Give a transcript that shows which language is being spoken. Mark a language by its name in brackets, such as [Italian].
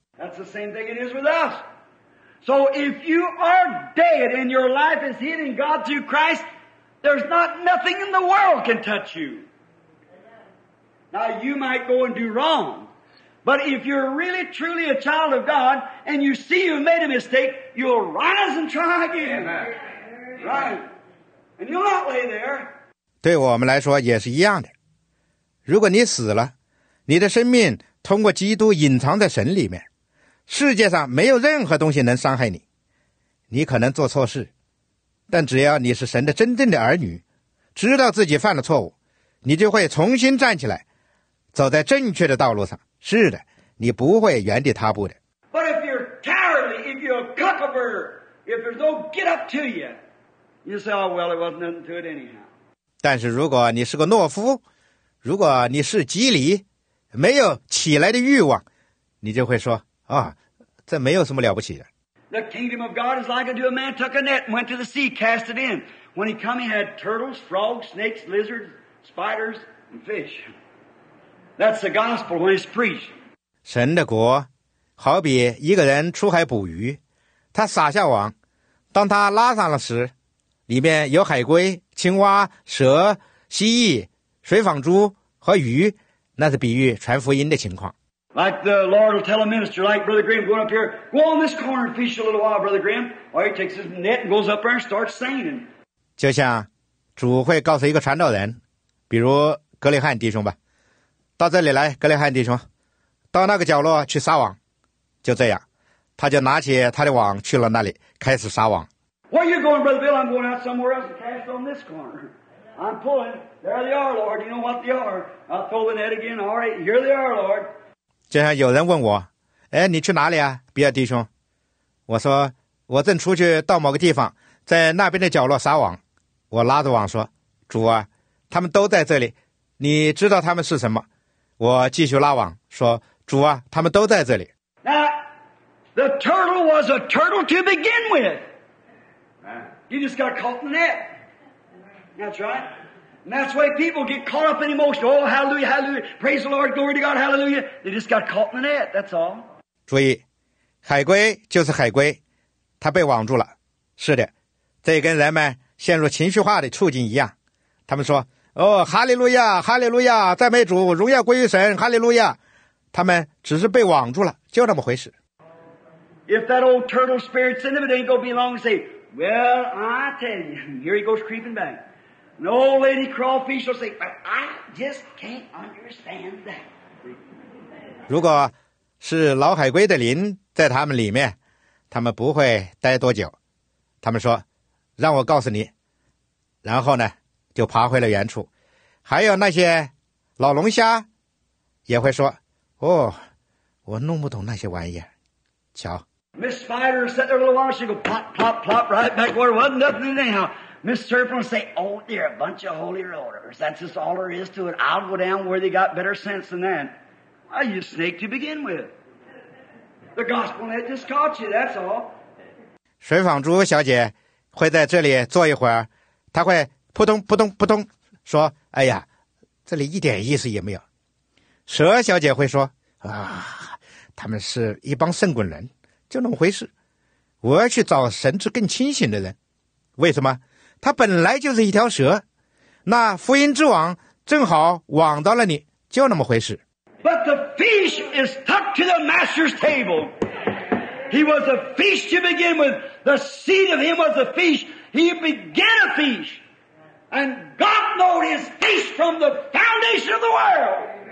[English] That's the same thing it is with us. So if you are dead and your life is hid in God through Christ, there's not nothing in the world can touch you. Now you might go and do wrong, but if you're really truly a child of God and you see you've made a mistake, you'll rise and try again. Right? And you'll not lay there. [Chinese] 对我们来说也是一样的。如果你死了，你的生命通过基督隐藏在神里面，世界上没有任何东西能伤害你。你可能做错事，但只要你是神的真正的儿女，知道自己犯了错误，你就会重新站起来，走在正确的道路上。是的，你不会原地踏步的。 [English] But if you're cowardly, if you're a cuckabird, if there's no get up to you, you say, oh, well, it wasn't nothing to it anyhow. [Chinese] 但是如果你是个懦夫，如果你是吉利，没有起来的欲望，你就会说，啊，这没有什么了不起的。 [English] The kingdom of God is like unto a man took a net and went to the sea, cast it in. When he come, he had turtles, frogs, snakes, lizards, spiders, and fish. That's the gospel when it's preached. [Chinese] 神的国好比一个人出海捕鱼，他撒下网，当他拉上了时，里面有海龟、青蛙、蛇、蜥蜴、水纺猪和鱼，那是比喻传福音的情况。 [English] Like the Lord will tell a minister, like Brother Graham going up here, go on this corner and fish a little while, Brother Graham. Or he takes his net and goes up there and starts singing. [Chinese] 就像主会告诉一个传道人，比如格雷汉弟兄吧，到这里来，格雷汉弟兄，到那个角落去撒网。就这样，他就拿起他的网去了那里，开始撒网。 [English] Where are you going, Brother Bill? I'm going out somewhere else to cast on this corner. I'm pulling. There they are, Lord. You know what they are. I'll throw the net again. All right, here they are, Lord. [Chinese] 就像有人问我，哎，你去哪里啊，比尔弟兄？我说，我正出去到某个地方，在那边的角落撒网。我拉着网说，主啊，他们都在这里，你知道他们是什么。我继续拉网说，主啊，他们都在这里。 [English] Now, the turtle was a turtle to begin with. He just got caught in the net. That's right. And that's why people get caught up in emotion. Oh, hallelujah, hallelujah. Praise the Lord, glory to God, hallelujah. They just got caught in the net, that's all. [Chinese] 注意，海龟就是海龟，它被网住了。是的，这跟人们陷入情绪化的处境一样。他们说，哦，哈利路亚，哈利路亚，赞美主，荣耀归于神，哈利路亚。他们只是被网住了，就那么回事。 [English] If that old turtle spirit's in them, it ain't gonna be long and say, well, I tell you, here he goes creeping back. An old lady crawfish will say, but I just can't understand that. [Chinese] 如果是老海龟的灵在他们里面，他们不会待多久。他们说，让我告诉你。然后呢，就爬回了原处。还有那些老龙虾也会说，哦，我弄不懂那些玩意儿。瞧。 [English] Miss Spider sat there a little while, she go plop, plop, plop, right back where it wasn't nothing anyhow. Mr. Serpent will say, oh dear, a bunch of holy rollers. That's just all there is to it. I'll go down where they got better sense than that. Why, you snake to begin with. The gospel net just caught you, that's all. [Chinese] 水纺猪小姐会在这里坐一会儿，她会扑通扑通扑通说，哎呀，这里一点意思也没有。蛇小姐会说，啊，他们是一帮圣滚人，就那么回事。我要去找神智更清醒的人。为什么？他本来就是一条蛇，那福音之网正好网到了你，就那么回事。 [English] But the fish is tucked to the master's table. He was a fish to begin with. The seed of him was a fish. He began a fish. And God knowed his fish from the foundation of the world.